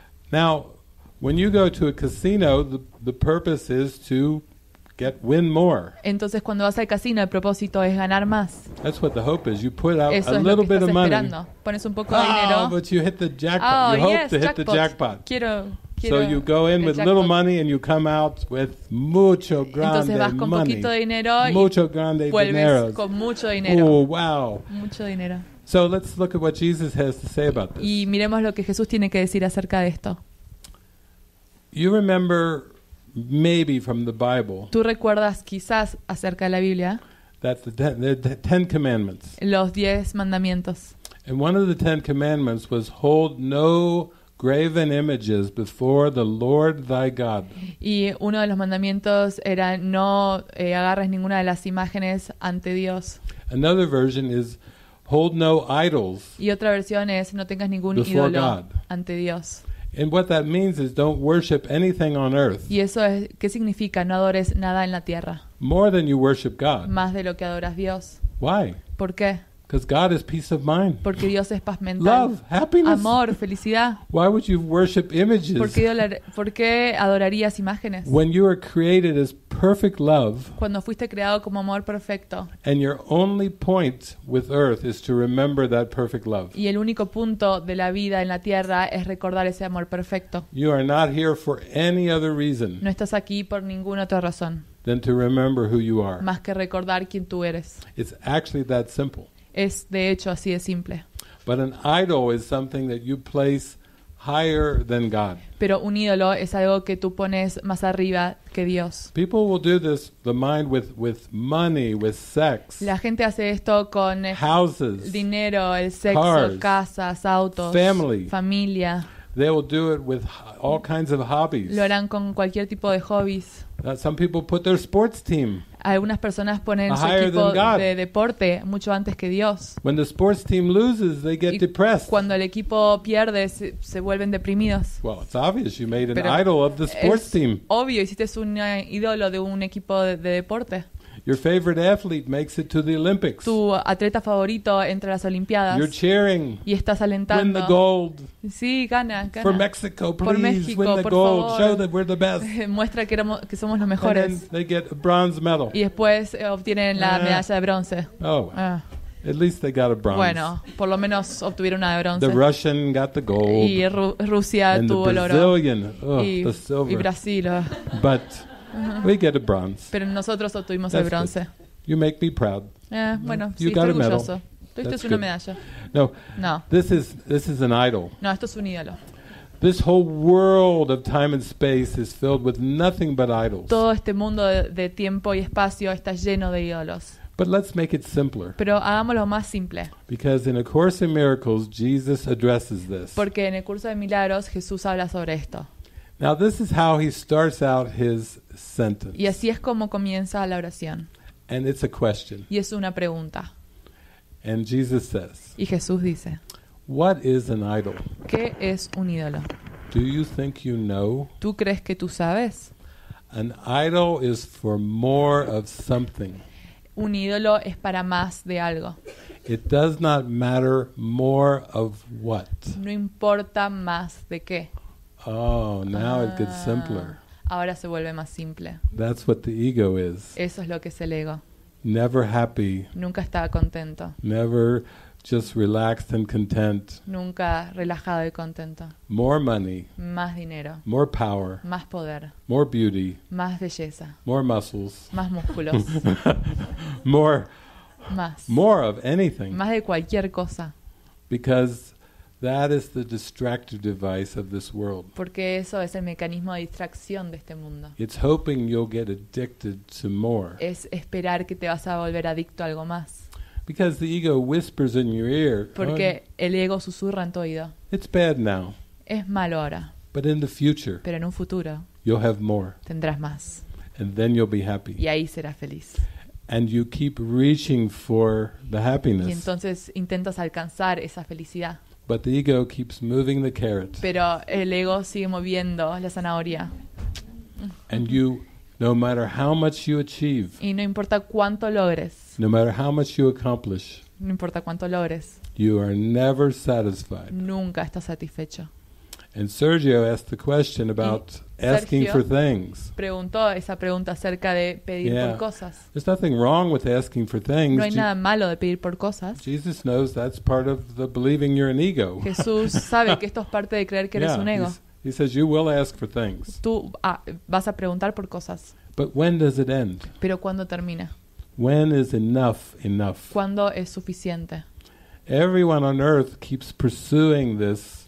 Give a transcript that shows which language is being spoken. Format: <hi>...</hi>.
<en>Now, when you go to a casino, the purpose is to get win more.</en> <es>Entonces cuando vas al casino el propósito es ganar más.</es> <en>That's what the hope is. You put out</en> <es>eso</es> <en>a little bit of money.</en> <es>Pones un poco de dinero.</es> <en>Oh, but you hit the jackpot. Oh, you hope yes, to jackpot. Hit the jackpot.</en> <es>Quiero</es> <en>so you go in with little money and you come out with</en> <es>mucho grande entonces vas con</es> <en>money.</en> <es>Poquito de dinero y mucho grande vuelves dinero. Con mucho dinero.</es> <en>Oh, wow.</en> <es>Mucho dinero.</es> <en>So let's look at what Jesus has to say about this.</en> <es>Y miremos lo que Jesús tiene que decir acerca de esto.</es> <en>You remember maybe from the Bible.</en> <es>¿Tú recuerdas quizás acerca de la Biblia?</es> <en>That the Ten Commandments.</en> <es>Los 10 mandamientos.</es> <en>And one of the Ten Commandments was hold no graven images before the Lord thy God.</en> <es>Y uno de los mandamientos era no agarres ninguna de las imágenes ante Dios.</es> <en>Another version is hold no idols.</en> <es>Y otra versión es no tengas ningún ídolo ante Dios.</es> <en>And what that means is don't worship anything on earth.</en> <es>Y eso es qué significa, no adores nada en la tierra.</es> <en>More than you worship God.</en> <es>Más de lo que adoras Dios.</es> <en>Why?</en> <es>¿Por qué?</es> <en>Because God is peace of mind.</en> <es>Porque Dios es paz mental.</es> <en>Love, happiness.</en> <es>Amor, felicidad.</es> <en>Why would you worship images?</en> <es>¿Por qué adorarías imágenes?</es> <en>When you are created as perfect love.</en> <es>Cuando fuiste creado como amor perfecto.</es> <en>And your only point with earth is to remember that perfect love.</en> <es>Y el único punto de la vida en la tierra es recordar ese amor perfecto.</es> <en>You are not here for any other reason.</en> <es>No estás aquí por ninguna otra razón.</es> <en>Than to remember who you are.</en> <es>Más que recordar quién tú eres.</es> <en>It's actually that simple.</en> <es>Es de hecho así de simple.</es> <en>But an idol is something that you place higher than God.</en> <es>Pero un ídolo es algo que tú pones más arriba que Dios.</es> <en>People will do this, the mind with money, with sex.</en> <es>La gente hace esto con</es> <en>houses,</en> <es>dinero, el sexo,</es> <en>cars,</en> <es>casas, autos,</es> <en>family,</en> <es>familia.</es> <en>They will do it with all kinds of hobbies.</en> <es>Lo harán con cualquier tipo de hobbies.</es> <en>Some people put their sports team.</en> <es>Algunas personas ponen su equipo de deporte mucho antes que Dios.</es> <en>When the sports team loses, they get depressed.</en> <es>Cuando el equipo pierde, se vuelven deprimidos.</es> <en>Well, it's obvious you made an idol of the sports team.</en> <es>Obvio, hiciste un ídolo de un equipo de deporte.</es> <en>Your favorite athlete makes it to the Olympics.</en> <es>Tu atleta favorito entra a las Olimpiadas.</es> <en>You're cheering.</en> <es>Y estás alentando.</es> <en>Win the gold.</en> <es>Sí, gana, gana.</es> <en>For Mexico, please.</en> <es>Por México,</es> <en>win the gold.</en> <es>Favor.</es> <en>Show that we're the best.</en> <es>Muestra que somos los mejores.</es> <en>And then they get a bronze medal.</en> <es>Y después obtienen la medalla de bronce.</es> <en>Oh. At least they got a bronze.</en> <es>Bueno, por lo menos obtuvieron una de bronce.</es> <en>The Russian got the gold.</en> <es>Y Rusia</es> <en>and</en> <es>tuvo el oro.</es> <en>And the Brazilian, the silver.</en> <es>Y Brasil.</es> <en>But we get a bronze.</en> <es>Pero nosotros obtuvimos el bronce.</es> <en>Good. You make me proud.</en> <es>Bueno, sí,</es> <en>you got a medal. That's</en> <es>una medalla.</es> <en>No.</en> <es>No.</es> <en>This is an idol.</en> <es>No, esto es un ídolo.</es> <en>This whole world of time and space is filled with nothing but idols.</en> <es>Todo este mundo de tiempo y espacio está lleno de ídolos.</es> <en>But let's make it simpler.</en> <es>Pero hagámoslo más simple.</es> <en>Because in A Course in Miracles, Jesus addresses this.</en> <es>Porque en el curso de milagros Jesús habla sobre esto.</es> <en>Now this is how he starts out his sentence.</en> <es>Y así es como comienza la oración.</es> <en>And it's a question.</en> <es>Y es una pregunta.</es> <en>And Jesus says.</en> <es>Y Jesús dice.</es> <en>What is an idol?</en> <es>¿Qué es un ídolo?</es> <en>Do you think you know?</en> <es>¿Tú crees que tú sabes?</es> <en>An idol is for more of something.</en> <es>Un ídolo es para más de algo.</es> <en>It does not matter more of what.</en> <es>No importa más de qué.</es> <en>Oh, now it gets simpler.</en> <es>Ahora se vuelve más simple.</es> <en>That's what the ego is.</en> <es>Eso es lo que es el ego.</es> <en>Never happy.</en> <es>Nunca estaba contento.</es> <en>Never just relaxed and content.</en> <es>Nunca relajado y contento.</es> <en>More money.</en> <es>Más dinero.</es> <en>More power.</en> <es>Más poder.</es> <en>More beauty.</en> <es>Más belleza.</es> <en>More muscles.</en> <es>Más músculos.</es> <en>More.</en> <es>Más.</es> <en>More of anything.</en> <es>Más de cualquier cosa.</es> <en>Because that is the distractive device of this world.</en> <es>Porque eso es el mecanismo de distracción de este mundo.</es> <en>It's hoping you'll get addicted to more.</en> <es>Es esperar que te vas a volver adicto a algo más.</es> <en>Because the ego whispers in your ear.</en> <es>Porque el ego susurra en tu oído.</es> <en>It's bad now.</en> <es>Es malo ahora.</es> <en>But in the future.</en> <es>Pero en un futuro.</es> <en>You'll have more.</en> <es>Tendrás más.</es> <en>And then you'll be happy.</en> <es>Y ahí serás feliz.</es> <en>And you keep reaching for the happiness.</en> <es>Y entonces intentas alcanzar esa felicidad.</es> <en>But the ego keeps moving the carrot.</en> <es>Pero el ego sigue moviendo la zanahoria.</es> <en>And you, no matter how much you achieve.</en> <es>Y no importa cuánto logres.</es> <en>No matter how much you accomplish.</en> <es>No importa cuánto logres.</es> <en>You are never satisfied.</en> <es>Nunca estás satisfecho.</es> <en>And Sergio asked the question about asking for things.</en> <es>Preguntó esa pregunta acerca de pedir por cosas.</es> <en>There's nothing wrong with asking for things.</en> <es>No hay nada malo de pedir por cosas.</es> <en>Jesus knows that's part of the believing you're an ego.</en> <es>Jesús sabe que esto es parte de creer que eres un ego.</es> <en>He says you will ask for things.</en> <es>Tú vas a preguntar por cosas.</es> <en>But when does it end?</en> <es>Pero ¿cuándo termina?</es> <en>When is enough enough?</en> <es>¿Cuándo es suficiente?</es> <en>Everyone on earth keeps pursuing this</en>